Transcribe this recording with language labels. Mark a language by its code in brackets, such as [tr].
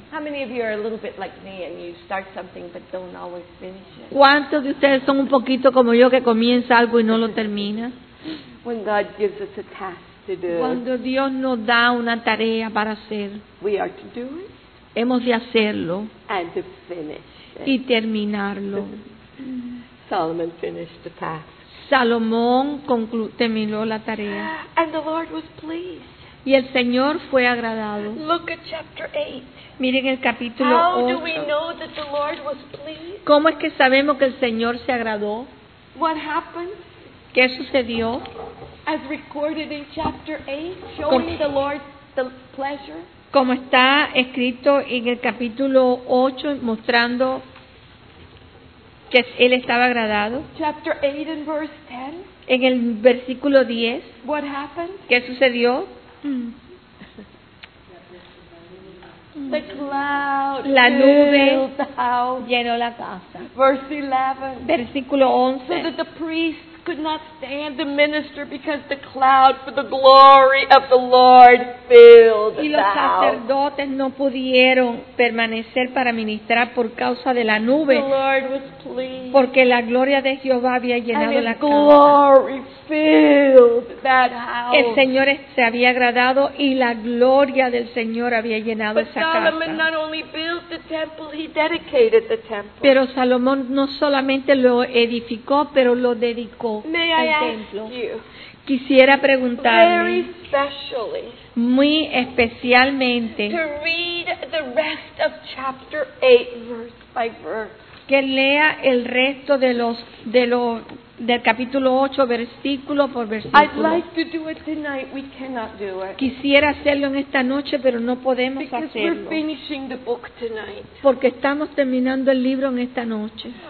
[en] How many of you are a little bit like me and you start something but don't always finish it? [es] ¿Cuántos de ustedes son un poquito como yo que comienza algo y no lo termina? [en] When God gives us a task to do. [es] Cuando Dios nos da una tarea para hacer. [en] We are to do it. [es] Hemos de hacerlo. [en] And to finish. [es] Y terminarlo. [en] Solomon finished the task. [es] Salomón terminó la tarea. [en] And the Lord was pleased. [es] Y el Señor fue agradado. [en] Look at chapter 8. [es] Miren el capítulo 8. [en] How do we know that the Lord was pleased? [es] ¿Cómo es que sabemos que el Señor se agradó? [en] What happened? [es] ¿Qué sucedió? [en] As recorded in chapter 8, showing the Lord the pleasure. [es] Como está escrito en el capítulo 8, mostrando que él estaba agradado. [en] Chapter 8 and verse 10. [es] En el versículo 10. [en] What happened? [es] ¿Qué sucedió? [en] The cloud, [es] la nube, [en] filled the house. [es] Llenó la casa. [en] Verse 11. [es] Versículo 11. [en] So that the priest could not stand to minister because the cloud for the glory of the Lord filled the house. [es] Y los sacerdotes no pudieron permanecer para ministrar por causa de la nube. [en] The Lord was pleased. [es] Porque la gloria de Jehová había llenado la casa. [en] And his glory filled that house. [es] El Señor se había agradado y la gloria del Señor había llenado [en] but But Solomon not only built the temple, he dedicated the temple. [es] Pero Salomón no solamente lo edificó, pero lo dedicó. [en] May [es] el [en] I [es] templo. [en] Ask you, [es] quisiera preguntarle muy especialmente [en] to read the rest of chapter 8, verse by verse. [es] Que lea el resto del capítulo 8 versículo por versículo. [en] I'd like to do it tonight. We cannot do it. [es] Quisiera hacerlo en esta noche, pero no podemos [en] because [es] hacerlo. [en] Because we're finishing the book tonight. [es] Porque estamos terminando el libro en esta noche.